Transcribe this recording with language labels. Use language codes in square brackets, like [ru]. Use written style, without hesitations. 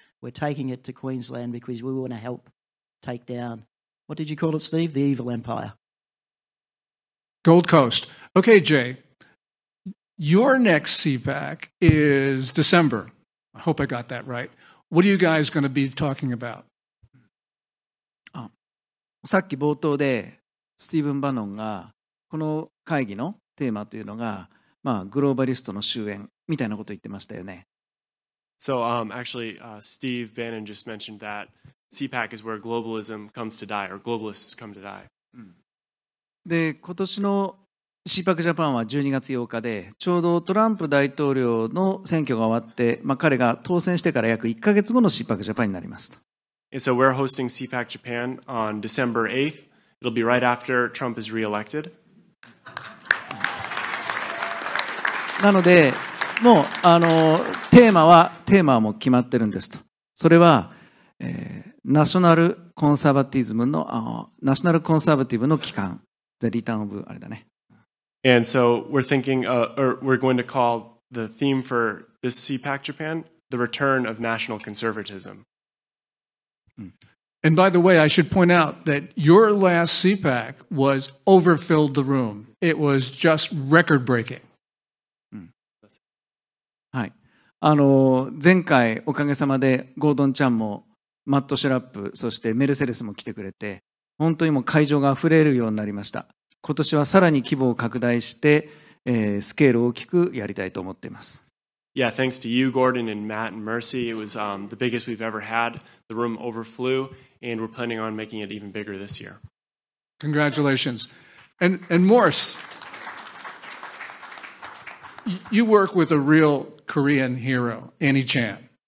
[en] We're taking it to Queensland because we want to help take down, what did you call it, Steve? The evil empire. Gold Coast. Okay, Jay, your next CPAC is December. I hope I got that right. What are you guys going to be talking about? [ja] さっき冒頭でスティーブン・バノンがこの会議のテーマというのが、まあ、グローバリストの終焉みたいなことを言ってましたよね。 [en] So, actually, Steve Bannon just mentioned that CPAC is where globalism comes to die, or globalists come to die. [ja] で、今年の CPAC ジャパンは12月8日で、ちょうどトランプ大統領の選挙が終わって、まあ、彼が当選してから約1ヶ月後の CPAC ジャパンになりますと。 [en] And so we're hosting CPAC Japan on December 8th. It'll be right after Trump is re-elected. [ja] なので、もう、テーマはもう決まってるんですと。それは、ナショナルコンサーバティズムの、ナショナルコンサーバティブの機関。 [en] The return of, [ja] あれだね。 [en] And so we're thinking, or we're going to call the theme for this CPAC Japan, the return of national conservatism. And by the way, I should point out that your last CPAC was overfilled the room. It was just record-breaking. [ja] はい。あの、前回おかげさまでゴードンちゃんもマット・シュラップそしてメルセデスも来てくれて本当にもう会場が溢れるようになりました。今年はさらに規模を拡大して、スケールを大きくやりたいと思っています。 [en] Yeah, thanks to you, Gordon, and Matt, and Mercy. It was, the biggest we've ever had. The room overflew, and we're planning on making it even bigger this year. Congratulations. And Morse, you work with a real Korean hero, Annie Chan.